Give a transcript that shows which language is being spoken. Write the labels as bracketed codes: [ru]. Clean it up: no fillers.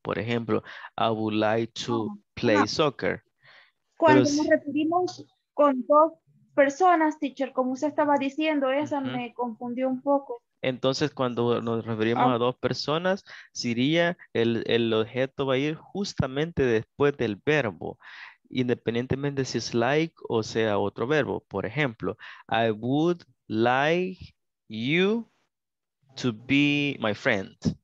[es] Por ejemplo, [en] I would like to play soccer. [es] Cuando pero nos referimos con dos personas, teacher, como usted estaba diciendo, esa uh-huh. me confundió un poco. Entonces, cuando nos referimos a dos personas, sería el objeto va a ir justamente después del verbo, independientemente si es like o sea otro verbo. Por ejemplo, [en] I would like you to be my friend.